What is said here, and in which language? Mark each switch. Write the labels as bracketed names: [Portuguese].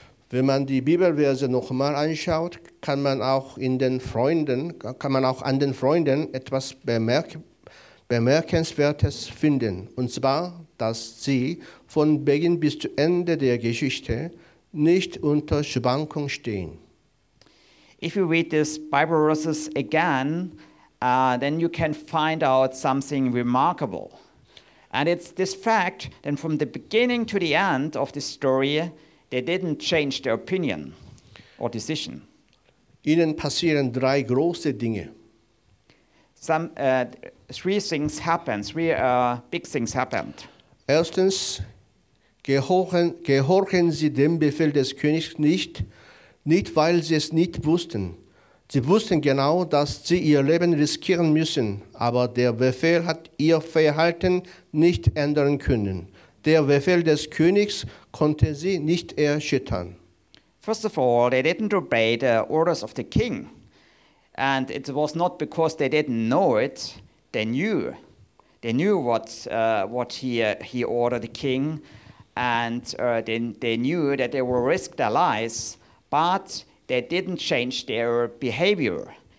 [German] Wenn man die Bibelverse noch mal anschaut, kann man auch an den Freunden etwas Bemerkenswertes finden. Und zwar, dass sie von Beginn bis zu Ende der Geschichte nicht unter Schwankung stehen. [English] If you read this Bible verses again, then you can find out something remarkable. And it's this fact that from the beginning to the end of the story, they didn't change their opinion or decision. [German] Ihnen passieren drei große Dinge. [English] Three big things happened. [German] Erstens, gehorchen sie dem Befehl des Königs nicht weil sie es nicht wussten. Sie wussten genau, dass sie ihr Leben riskieren müssen, aber der Befehl hat ihr Verhalten nicht ändern können. Der Befehl des Königs konnte sie nicht erschüttern. [English] First of all, they didn't obey the orders of the king. And it was not because they didn't know it, they knew what he ordered the king, and they knew that they will risk their lives, but they didn't change their behavior.